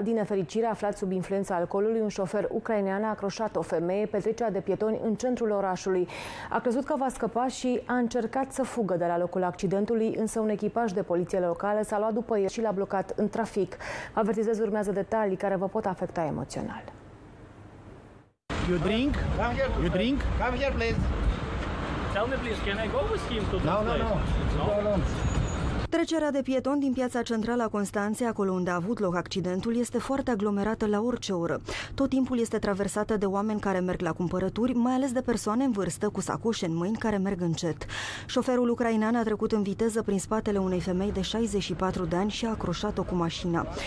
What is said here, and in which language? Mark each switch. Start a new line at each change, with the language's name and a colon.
Romanian: Din nefericire, aflat sub influența alcoolului, un șofer ucrainean a acroșat o femeie pe trecerea de pietoni în centrul orașului. A crezut că va scăpa și a încercat să fugă de la locul accidentului, însă un echipaj de poliție locală s-a luat după el și l-a blocat în trafic. Avertizez, urmează detalii care vă pot afecta emoțional.
English: You drink? Come here, please. Tell me, please, can I go with him to the place? No.
Romanian: Trecerea de pieton din piața centrală a Constanței, acolo unde a avut loc accidentul, este foarte aglomerată la orice oră. Tot timpul este traversată de oameni care merg la cumpărături, mai ales de persoane în vârstă cu sacoșe în mâini care merg încet. Șoferul ucrainean a trecut în viteză prin spatele unei femei de 64 de ani și a acroșat-o cu mașina.